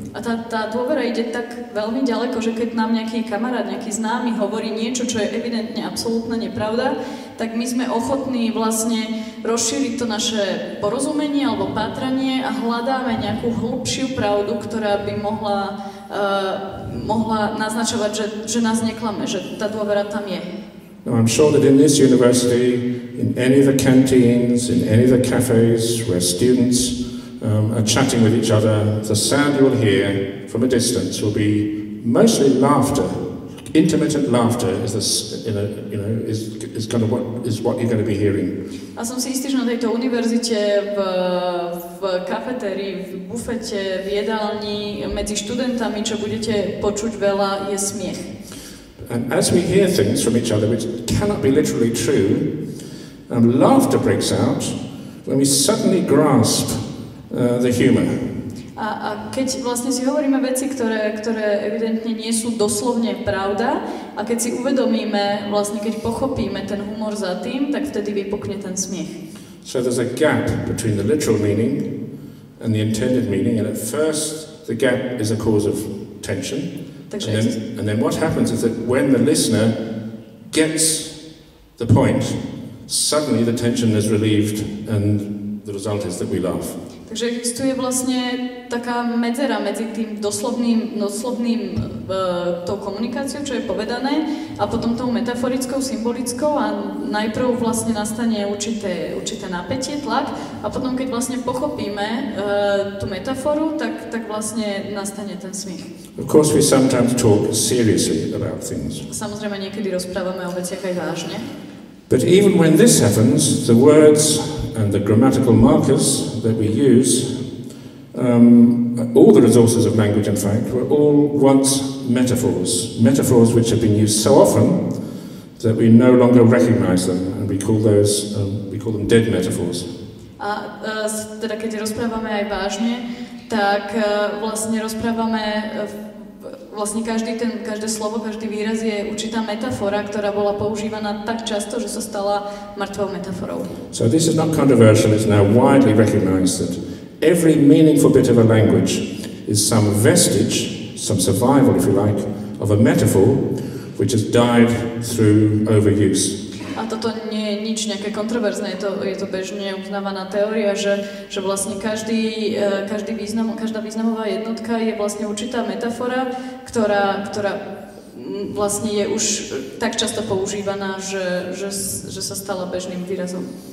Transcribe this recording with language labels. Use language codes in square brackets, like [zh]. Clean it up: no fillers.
[sk] A tá dôvera ide tak veľmi ďaleko, že keď nám nejaký kamarát, nejaký známy hovorí niečo, čo je evidentne absolútna nepravda, tak my sme ochotní vlastne rozšíriť to naše porozumenie alebo pátranie a hľadáme nejakú hlubšiu pravdu, ktorá by mohla naznačovať, že nás neklame, že tá dôvera tam je. [en] Now I'm sure that in this university, in any of the canteens, in any of the cafes where students are chatting with each other, the sound you will hear from a distance will be mostly laughter. Intermittent laughter is this, is kind of what you're going to be hearing. [sk] A som si istý, že na tejto univerzite v kafetérii, v bufete, v jedálni medzi študentami, čo budete počuť veľa, je smiech. [en] And as we hear things from each other which cannot be literally true, laughter breaks out when we suddenly grasp the humor. [sk] A keď vlastne si hovoríme veci, ktoré evidentne nie sú doslovne pravda, a keď si uvedomíme, vlastne keď pochopíme ten humor za tým, tak vtedy vypukne ten smiech. [en] So there's a gap between the literal meaning and the intended meaning, and at first the gap is a cause of tension. And then what happens is that when the listener gets the point, suddenly the tension is relieved and the result is that we laugh. [sk] Takže existuje vlastne taká medzera medzi tým doslovným tou komunikáciou, čo je povedané, a potom tou metaforickou, symbolickou, a najprv vlastne nastane určité napätie, tlak, a potom keď vlastne pochopíme tú metaforu, tak vlastne nastane ten smiech. [en] Of course we sometimes talk seriously about things. [sk] Samozrejme niekedy rozprávame o veciach aj vážne. [en] But even when this happens, the words and the grammatical markers that we use, all the resources of language, in fact, were all once metaphors. Metaphors which have been used so often that we no longer recognize them, and we call those, we call them dead metaphors. [sk] A teda keď rozprávame aj vážne, tak vlastne rozprávame, vlastne každé slovo, každý výraz je určitá metafora, ktorá bola používaná tak často, že sa stala mŕtvou metaforou. [en] So this is not controversial, it's now widely recognized that every meaningful bit of a language is some vestige, some survival, if you like, of a metaphor which has died through overuse. [sk] A toto nie je nič nejaké kontroverzné, je to bežne uznávaná teória, že vlastne každá významová jednotka je vlastne určitá metafora, ktorá vlastne je už tak často používaná, že sa stala bežným výrazom.